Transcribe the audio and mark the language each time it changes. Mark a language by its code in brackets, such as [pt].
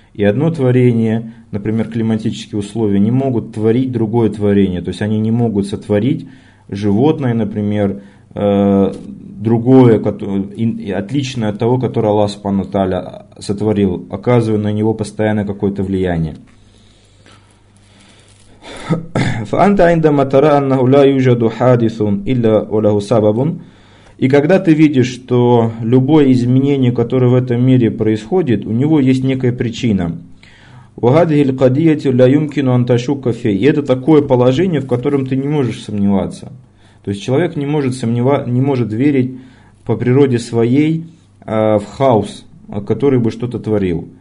[ru] И одно творение, например, климатические условия, не могут творить другое творение. То есть, они не могут сотворить животное, например, другое, отличное от того, которое Аллах Субхану Тааля сотворил, оказывая на него постоянно какое-то влияние. [ar] فأنت عندما ترى أنه لا يوجد حادث إلا وله سبب. [ru] И когда ты видишь, что любое изменение, которое в этом мире происходит, у него есть некая причина. [ar] وهذه القضية لا يمكن أن تشك فيها. [ru] И это такое положение, в котором ты не можешь сомневаться. То есть человек не может верить по природе своей в хаос, который бы что-то творил.